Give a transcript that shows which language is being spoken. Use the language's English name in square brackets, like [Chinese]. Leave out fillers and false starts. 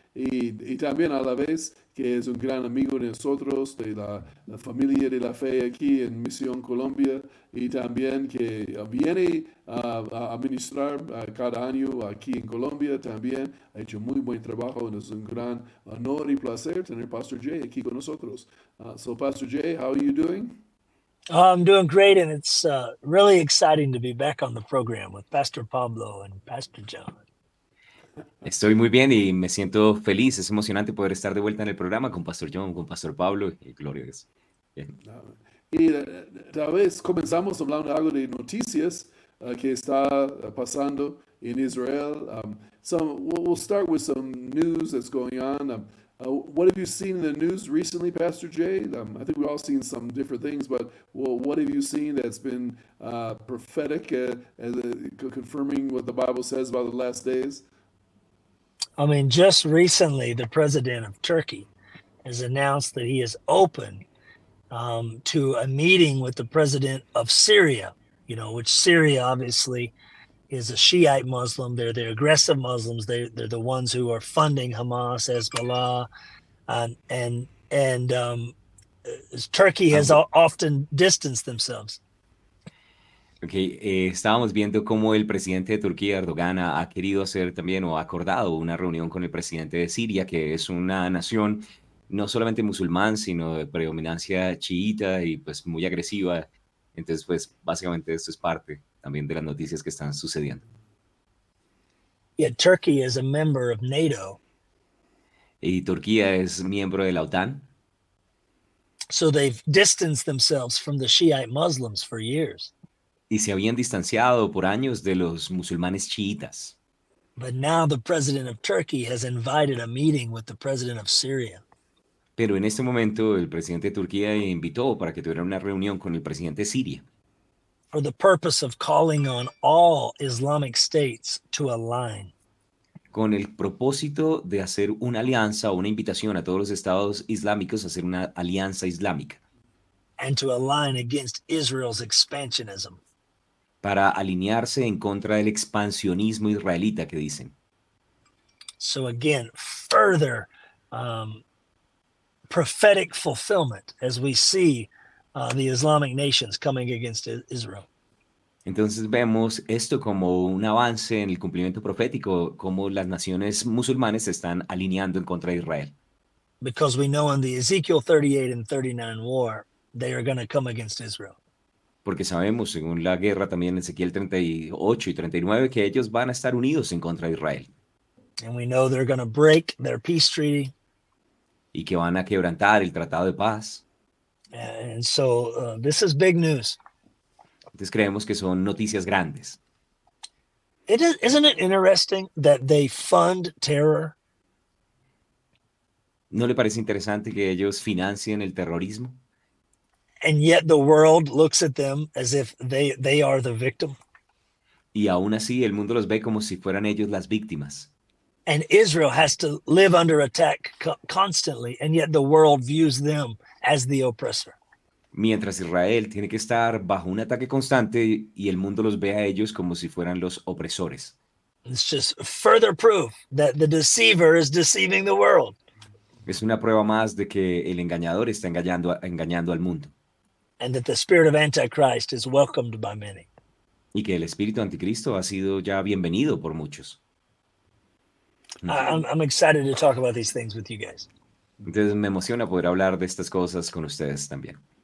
[Spanish] Y también a la vez que es un gran amigo de nosotros, de la familia de la fe aquí en Misión Colombia. Y también que viene a ministrar cada año aquí en Colombia también. Ha hecho muy buen trabajo y es un gran honor y placer tener Pastor Jay aquí con nosotros. [English] So, Pastor Jay, how are you doing? I'm doing great, and it's really exciting to be back on the program with Pastor Pablo and Pastor John. [Spanish] Estoy muy bien y me siento feliz. Es emocionante poder estar de vuelta en el programa con Pastor John, con Pastor Pablo. Gloria a Dios. Y tal vez comenzamos hablando algo de noticias que está pasando en Israel. [English] So we'll start with some news that's going on. What have you seen in the news recently, Pastor Jay? I think we've all seen some different things, but what have you seen that's been prophetic, confirming what the Bible says about the last days? I mean, just recently, the president of Turkey has announced that he is open to a meeting with the president of Syria, you know, which Syria obviously is a Shiite Muslim. They're the aggressive Muslims. They're the ones who are funding Hamas, Hezbollah, and Turkey has often distanced themselves. [Spanish] Okay, estábamos viendo cómo el presidente de Turquía, Erdogan, ha querido hacer también o ha acordado una reunión con el presidente de Siria, que es una nación no solamente musulmán, sino de predominancia chiita y pues muy agresiva. Entonces, pues básicamente esto es parte también de las noticias que están sucediendo. [English] Yeah, Turkey is a member of NATO. [Spanish] Y Turquía es miembro de la OTAN. [English] So they've distanced themselves from the Shiite Muslims for years. [Spanish] Y se habían distanciado por años de los musulmanes chiitas. [English] But now the president of Turkey has invited a meeting with the president of Syria. [Spanish] Pero en este momento el presidente de Turquía invitó para que tuviera una reunión con el presidente de Siria. [English] For the purpose of calling on all Islamic states to align. [Spanish] Con el propósito de hacer una alianza o una invitación a todos los estados islámicos a hacer una alianza islámica. [English] And to align against Israel's expansionism. [Spanish] Para alinearse en contra del expansionismo israelita, que dicen. [English] So again, further prophetic fulfillment as we see the Islamic nations coming against Israel. [Spanish] Entonces vemos esto como un avance en el cumplimiento profético, como las naciones musulmanes se están alineando en contra de Israel. [English] Because we know in the Ezekiel 38 and 39 war, they are going to come against Israel. [Spanish] Porque sabemos, según la guerra también en Ezequiel 38 y 39, que ellos van a estar unidos en contra de Israel. [English] And we know they're going to break their peace treaty. [Spanish] Y que van a quebrantar el tratado de paz. [English] And so, this is big news. [Spanish] Entonces creemos que son noticias grandes. [English] Isn't it interesting that they fund terror? [Spanish] ¿No le parece interesante que ellos financien el terrorismo? [English] And yet the world looks at them as if they are the victim. [Spanish] Y aún así el mundo los ve como si fueran ellos las víctimas. [English] And Israel has to live under attack constantly, and yet the world views them as the oppressor. [Spanish] Mientras Israel tiene que estar bajo un ataque constante y el mundo los ve a ellos como si fueran los opresores. [English] It's just further proof that the deceiver is deceiving the world. [Spanish] Es una prueba más de que el engañador está engañando al mundo. [English] And that the spirit of Antichrist is welcomed by many. [Spanish] Y que el espíritu anticristo ha sido ya bienvenido por muchos. [English] I'm excited to talk about these things with you guys. [Spanish] Entonces me emociona poder hablar de estas cosas con ustedes también.